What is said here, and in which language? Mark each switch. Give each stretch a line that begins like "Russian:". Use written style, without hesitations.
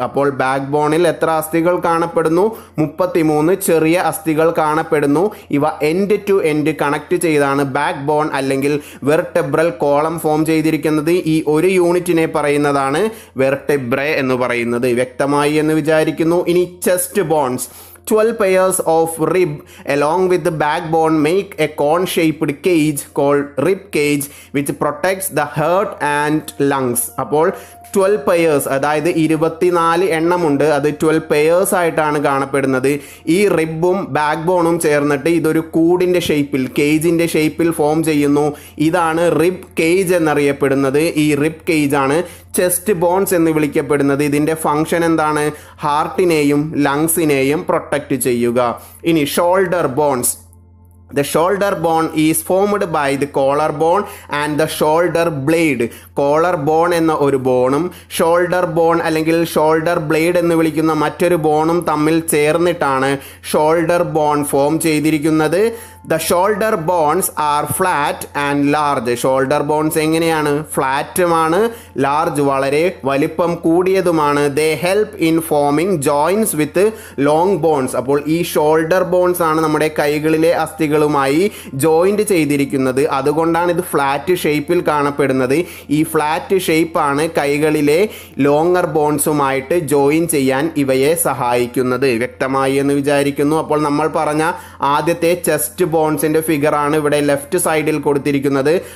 Malayalam: അപ്പോൾ ബാക്ക് ബോണിൽ എത്ര അസ്ഥികൾ കാണപ്പെടുന്നു? 33 ചെറിയ അസ്ഥികൾ കാണപ്പെടുന്നു. ഇവ എൻഡ് ടു എൻഡ് കണക്ട് ചെയ്താണ് ബാക്ക് ബോൺ അല്ലെങ്കിൽ വെർട്ടബ്രൽ കോളം ഫോം ചെയ്തിരിക്കുന്നത്. ഈ ഒരു യൂണിറ്റിനെ പറയുന്നതാണ് വെർട്ടബ്ര എന്ന് പറയുന്നത്. വ്യക്തമായി എന്ന് വിചാരിക്കുന്നു. ഇനി chest bones.
English: 12 pairs of rib along with the backbone make a cone-shaped cage called rib cage, which protects the heart and lungs.
Malayalam: അപ്പോൾ ട്വൽവ് പെയേഴ്സ്, അതായത് 24 എണ്ണമുണ്ട്, അത് 12 പെയേഴ്സ് ആയിട്ടാണ് കാണപ്പെടുന്നത്. ഈ റിബും ബാക്ക് ബോണും ചേർന്നിട്ട് ഇതൊരു കൂടിൻ്റെ ഷേപ്പിൽ, കേജിൻ്റെ ഷേപ്പിൽ ഫോം ചെയ്യുന്നു. ഇതാണ് റിബ് കേജ് എന്നറിയപ്പെടുന്നത്. ഈ റിബ് കേജാണ് ചെസ്റ്റ് ബോൺസ് എന്ന് വിളിക്കപ്പെടുന്നത്. ഇതിൻ്റെ ഫംഗ്ഷൻ എന്താണ്? ഹാർട്ടിനെയും ലങ്സിനെയും പ്രൊട്ടക്റ്റ് ചെയ്യുക. ഇനി shoulder bones.
English: The shoulder bone is formed by the collar bone and the shoulder blade.
Malayalam: Collar bone എന്ന ഒരു ബോണും shoulder bone അല്ലെങ്കിൽ shoulder blade എന്ന് വിളിക്കുന്ന മറ്റൊരു ബോണും തമ്മിൽ ചേർന്നിട്ടാണ് shoulder bone form ചെയ്തിരിക്കുന്നത്.
English: The shoulder bones are flat and large.
Malayalam: Shoulder bones എങ്ങനെയാണ്? ഫ്ലാറ്റുമാണ്, ലാർജ് വളരെ വലിപ്പം കൂടിയതുമാണ്.
English: They help in forming joints with long bones.
Malayalam: അപ്പോൾ ഈ ഷോൾഡർ ബോൺസ് ആണ് നമ്മുടെ കൈകളിലെ അസ്ഥികളുമായി ജോയിൻറ് ചെയ്തിരിക്കുന്നത്. അതുകൊണ്ടാണ് ഇത് ഫ്ലാറ്റ് ഷേപ്പിൽ കാണപ്പെടുന്നത്. ഈ ഫ്ലാറ്റ് ഷേപ്പാണ് കൈകളിലെ ലോങ്ങർ ബോൺസുമായിട്ട് ജോയിൻ ചെയ്യാൻ ഇവയെ സഹായിക്കുന്നത്. വ്യക്തമായി എന്ന് വിചാരിക്കുന്നു. അപ്പോൾ നമ്മൾ പറഞ്ഞ ആദ്യത്തെ ചെസ്റ്റ് ബോൺസിന്റെ ഫിഗർ ആണ് ഇവിടെ ലെഫ്റ്റ് സൈഡിൽ കൊടുത്തിരിക്കുന്നത്.